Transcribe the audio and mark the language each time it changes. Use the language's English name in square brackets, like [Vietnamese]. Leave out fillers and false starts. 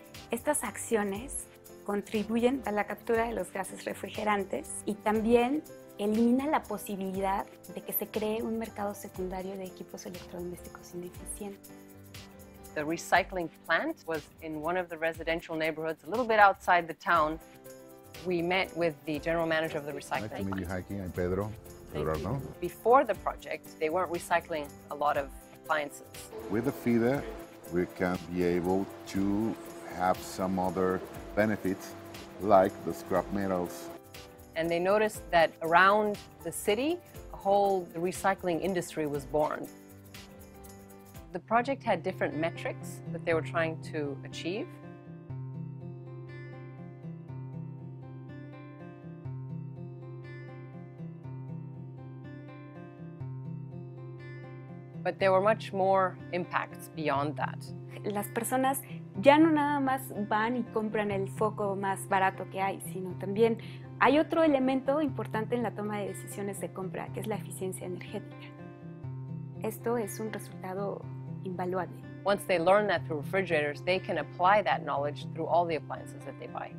[Spanish] Estas acciones contribuyen a la captura de los gases refrigerantes y también elimina la posibilidad de que se cree un mercado secundario de equipos electrodomésticos ineficientes. [English] The recycling plant was in one of the residential neighborhoods, a little bit outside the town. We met with the general manager of the recycling plant. Nice to meet you, Heike. I'm Pedro. Pedro. Before the project, they weren't recycling a lot of appliances. With the feeder, we can be able to have some other benefits, like the scrap metals. And they noticed that around the city, a whole recycling industry was born. The project had different metrics that they were trying to achieve. But there were much more impacts beyond that. [Spanish] Las personas ya no nada más van y compran el foco más barato que hay, sino también hay otro elemento importante en la toma de decisiones de compra, que es la eficiencia energética. Esto es un resultado invaluable. [English] Once they learn that through refrigerators, they can apply that knowledge through all the appliances that they buy.